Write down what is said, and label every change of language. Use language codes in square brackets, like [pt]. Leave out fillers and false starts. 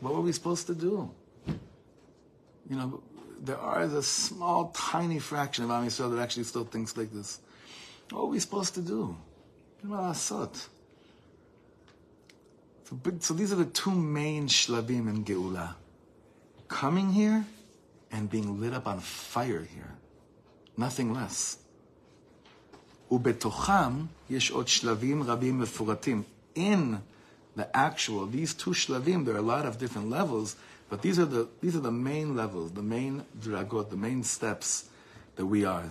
[en] What were we supposed to do? You know, there are a small, tiny fraction of Am Yisrael that actually still thinks like this. What were we supposed to do? You know, asot. So these are the two main shlavim in Geula. Coming here and being lit up on fire here. Nothing less. [he] ובתוכם יש עוד שלבים רבים מפורטים. [en] In the actual, these two שלבים, there are a lot of different levels, but these are the main levels, the main dragot, the main steps that we are.